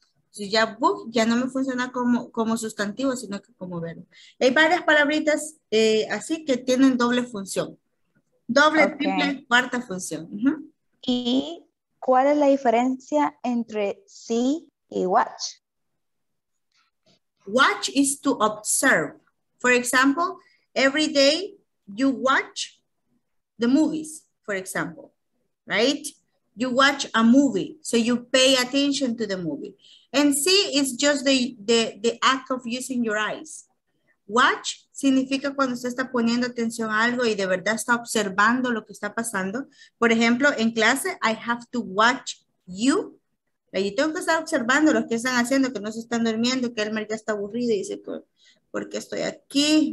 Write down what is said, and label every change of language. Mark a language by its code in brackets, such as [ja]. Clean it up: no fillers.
[es] So, ya book ya no me funciona como sustantivo, sino que como verbo. Hay varias palabritas así que tienen doble función. Doble, okay. Triple, cuarta función. Uh-huh. ¿Y cuál es la diferencia entre see y watch? [en] Watch is to observe. For example, every day you watch the movies, for example, right? You watch a movie, so you pay attention to the movie. And see is just the act of using your eyes. [es] Watch significa cuando usted está poniendo atención a algo y de verdad está observando lo que está pasando. Por ejemplo, en clase, [en] I have to watch you. [es] Y tengo que estar observando lo que están haciendo, que no se están durmiendo, que Elmer ya está aburrido y dice, ¿por qué estoy aquí?